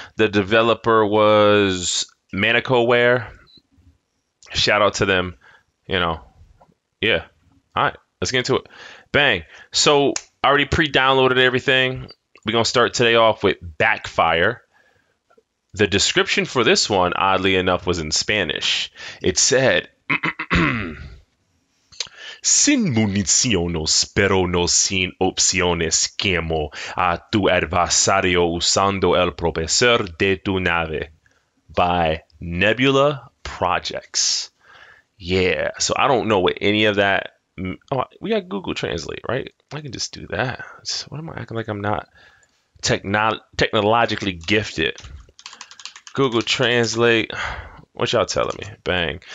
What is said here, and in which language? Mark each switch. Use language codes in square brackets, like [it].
[en] The developer was ManicoWare. Shout out to them. You know, yeah. All right, let's get into it. Bang. So I already pre-downloaded everything. We're going to start today off with Backfire. The description for this one, oddly enough, was in Spanish. [es] It said, Sin municiones, pero no sin opciones, quemo a tu adversario usando el propulsor de tu nave. [en] By Nebula Projects. Yeah, so I don't know what any of that. Oh, we got Google Translate, right? I can just do that. What am I acting like I'm not technologically gifted? Google Translate. What y'all telling me? Bang.